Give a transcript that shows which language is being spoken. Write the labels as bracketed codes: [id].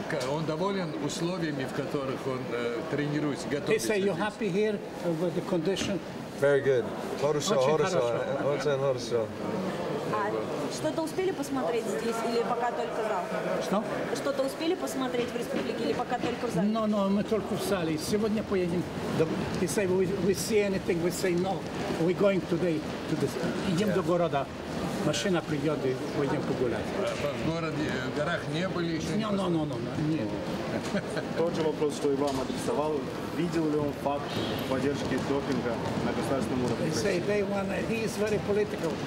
[ru] Он доволен условиями, в которых он тренируется, готовится. [en] He said, you're happy here with the condition? Very good. [ru] Хорошо, хорошо. Очень хорошо. А что-то успели посмотреть здесь или пока только в зал? Что? Что-то успели посмотреть в республике или пока только в зале? [en] No, [ru] мы только в зале. Сегодня поедем. [en] He said, we see anything, we say no. We're going today to this. [ru] Идем до города. Машина придет и пойдем погулять. В городе, в горах не были еще? Нет. Тот же вопрос, что и вам адресовал. Видел ли он факт поддержки допинга на государственном уровне? [en] He said they want, he is very political.